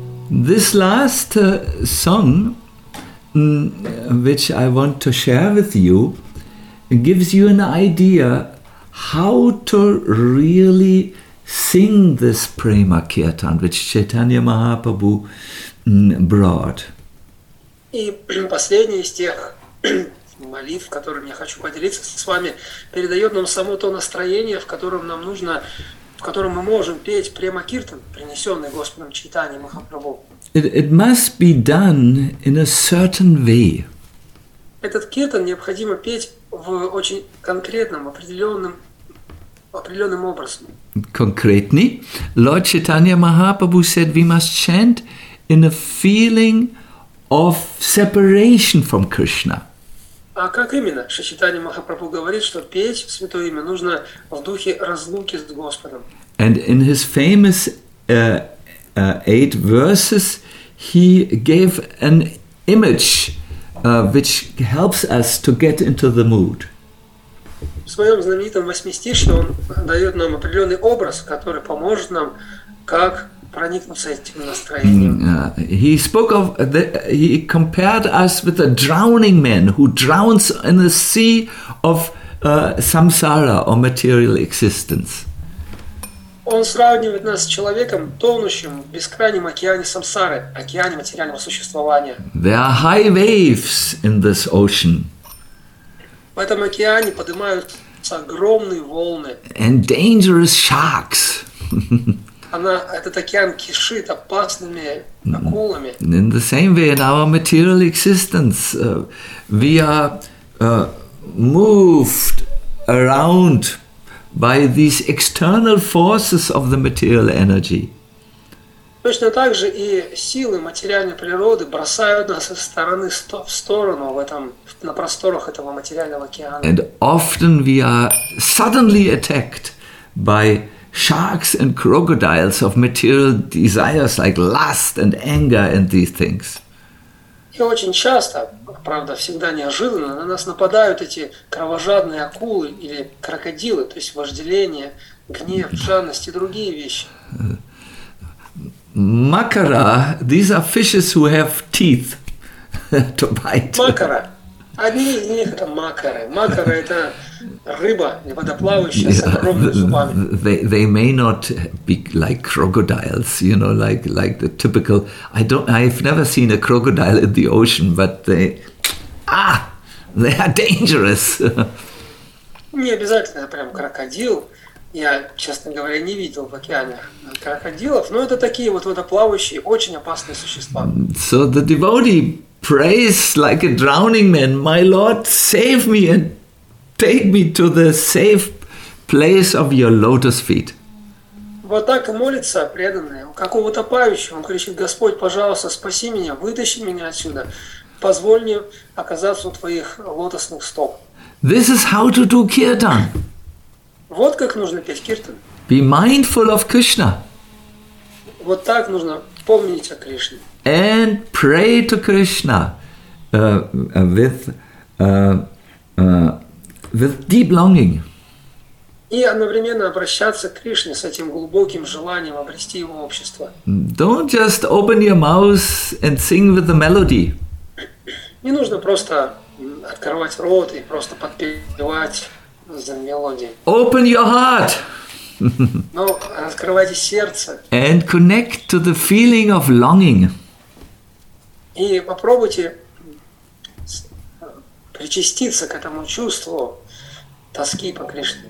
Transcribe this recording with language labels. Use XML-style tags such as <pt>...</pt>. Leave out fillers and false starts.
<en>This last song, which I want to share with you, gives you an idea how to really sing this prema kirtan which Chaitanya Mahaprabhu brought.</en> <ru>И последний из тех молитв, которыми я хочу поделиться с вами, передает нам само то настроение, в котором нам нужно, в котором мы можем петь према киртан, принесенный Господом Чайтанья Махапрабху.</ru> <en>It must be done in a certain way.</en> <ru>Этот киртан необходимо петь в очень конкретном, определенном</ru> <en>Concretely, Lord Chaitanya Mahaprabhu said we must chant in a feeling of separation from Krishna.</en> <ru>А как именно? Шачитанья Махапрабху говорит, что петь святое имя нужно в духе разлуки с Господом.</ru> <en>And in his famous eight verses, he gave an image which helps us to get into the mood.</en> <ru>В своем знаменитом восьмистишье он дает нам определенный образ, который поможет нам, как проникнуться этим настроением.</ru> <en>He compared us with a drowning man who drowns in a sea of samsara or material existence.</en> <ru>Он сравнивает нас с человеком, тонущим в бескрайнем океане самсары, океане материального существования.</ru> <en>There are high waves in this ocean.</en> <ru>В этом океане поднимают огромные волны.</ru> <en>And dangerous sharks.</en> <ru>Этот океан кишит опасными акулами.</ru> <en>In the same way, in our material existence, we are moved around by these external forces of the material energy.</en> <ru>Точно так же и силы материальной природы бросают нас из стороны в сторону в этом, на просторах этого материального океана.</ru> <en>And often we are suddenly attacked by sharks and crocodiles of material desires like lust and anger and these things.</en> <ru>И очень часто, правда, всегда неожиданно, на нас нападают эти кровожадные акулы или крокодилы, то есть вожделение, гнев, жадность и другие вещи.</ru> <en>Makara, these are fishes who have teeth to bite.</en> <ru>Makara. Одни из них это макары. Макара это рыба, водоплавающая с огромными зубами.</ru> <en>They may not be like crocodiles, you know, like the typical. I've never seen a crocodile in the ocean, but they are dangerous.</en> <ru>Не обязательно прям крокодил. Я, честно говоря, не видел в океане крокодилов, но это такие вот водоплавающие, очень опасные существа.</ru> <en>So the devotee prays like a drowning man, my Lord, save me and take me to the safe place of your lotus feet.</en> <ru>Вот так и молится преданный, как у утопающего, он кричит, Господь, пожалуйста, спаси меня, вытащи меня отсюда, позволь мне оказаться у твоих лотосных стоп.</ru> <en>This is how to do kirtan.</en> <ru>Вот как нужно петь киртан.</ru> <en>Be mindful of Krishna.</en> <ru>Вот так нужно помнить о Кришне.</ru> <en>And pray to Krishna with deep longing.</en> <ru>И одновременно обращаться к Кришне с этим глубоким желанием обрести его общество.</ru> <en>Don't just open your mouth and sing with the melody.</en> <ru>Не нужно просто открывать рот и просто подпевать за мелодией.</ru> <en>Open your heart.</en> <ru>Но открывайте сердце.</ru> <en>And connect to the feeling of longing.</en> <ru>И попробуйте причаститься к этому чувству тоски по Кришне.</ru>